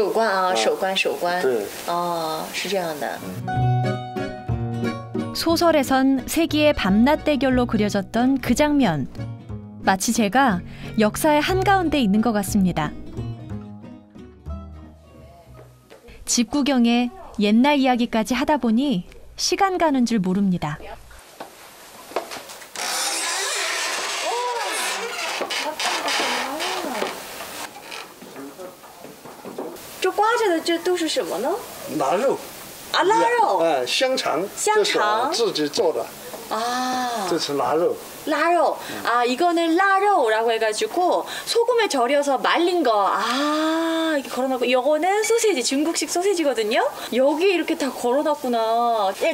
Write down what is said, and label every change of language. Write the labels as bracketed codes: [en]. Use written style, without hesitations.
[zh] 那个什么呀，战争也发生过在这里吗？或者是他们在这里干什么呢？他们就在这里守关呢。守关啊，守关守关。对，哦，是这样的。 [ko] 소설에선 세기의 밤낮 대결로 그려졌던 그 장면, 마치 제가 역사의 한가운데 있는 것 같습니다. 집 구경에 옛날 이야기까지 하다 보니 시간 가는 줄 모릅니다. [zh] 这挂着的这都是什么呢？腊肉。啊，腊肉，哎，香肠，香肠，自己做的，啊，这是腊肉，腊肉，啊，一个呢腊肉，然后 [ko] 해가지고 소금에 절여서 말린 거, 아, 이거 걸어놨고, 요거는 소시지, 중국식 소시지거든요. 여기 이렇게 다 걸어놨구나.